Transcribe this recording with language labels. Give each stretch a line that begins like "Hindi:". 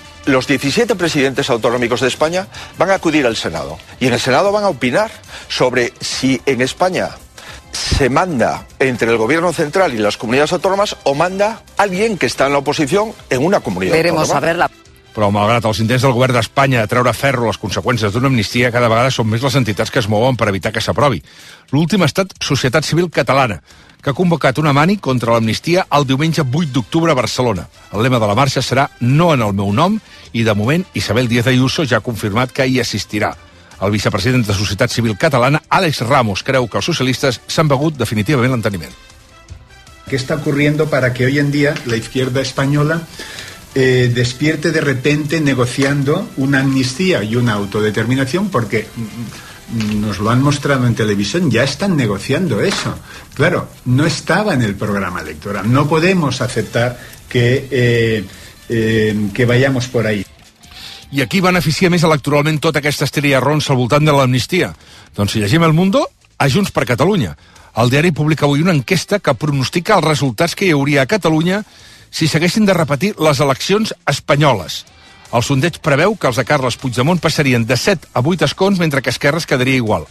Spanish: Los 17 presidentes autonómicos de España van a acudir al Senado y en el Senado van a opinar sobre si en España se manda entre el gobierno central y las comunidades autónomas o manda alguien que está en la oposición en una comunidad autónoma.
Catalan: Però malgrat els intents del govern d'Espanya de treure ferro les conseqüències d'una amnistia, cada vegada són més les entitats que es mouen per evitar que s'aprovi. L'últim ha estat Societat Civil Catalana, que ha convocat una mani contra l'amnistia el diumenge 8 d'octubre a Barcelona. El lema de la marxa serà "No en el meu nom" i, de moment, Isabel Díaz Ayuso ja ha confirmat que hi assistirà. El vicepresident de Societat Civil Catalana, Àlex Ramos, creu que els socialistes s'han begut definitivament l'enteniment.
Spanish: ¿Qué está ocurriendo para que hoy en día la izquierda española despierte de repente negociando una amnistía y una autodeterminación, porque nos lo han mostrado en televisión, ya están negociando eso. Claro, no estaba en el programa electoral. No podemos aceptar que vayamos por ahí.
Catalan: I aquí beneficia més electoralment tota aquesta estèria ronça al voltant de l'amnistia. Doncs si llegim El Mundo, a Junts per Catalunya. El diari publica avui una enquesta que pronostica els resultats que hi hauria a Catalunya si s'haguessin de repetir les eleccions espanyoles. El sondeig preveu que els de Carles Puigdemont passarien de 7 a 8 escons, mentre que Esquerra es quedaria igual.